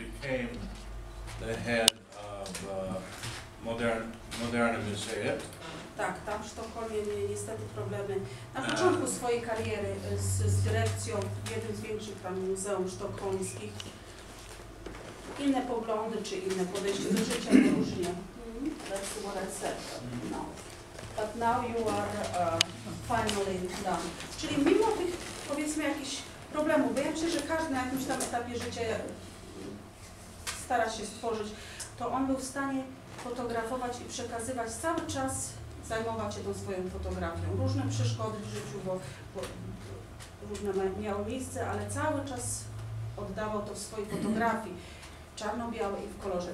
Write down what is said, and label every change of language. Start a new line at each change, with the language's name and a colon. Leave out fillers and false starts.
English: became the head of Moderna Museum.
Polish: Tak, tam w Sztokholmie miał niestety problemy na początku swojej kariery z dyrekcją w jednym z większych tam muzeum sztokholmskich. Inne poglądy czy inne podejście do życia to różnie.
English: That's what I said. No. But now you are finally done.
Polish: Czyli mimo tych, powiedzmy, jakichś problemów, bo ja myślę, że każdy na jakimś tam etapie życia stara się stworzyć, to on był w stanie fotografować i przekazywać cały czas, zajmować się tą swoją fotografią. Różne przeszkody w życiu, bo różne miały miejsce, ale cały czas oddawał to w swojej fotografii, czarno-białe i w kolorze.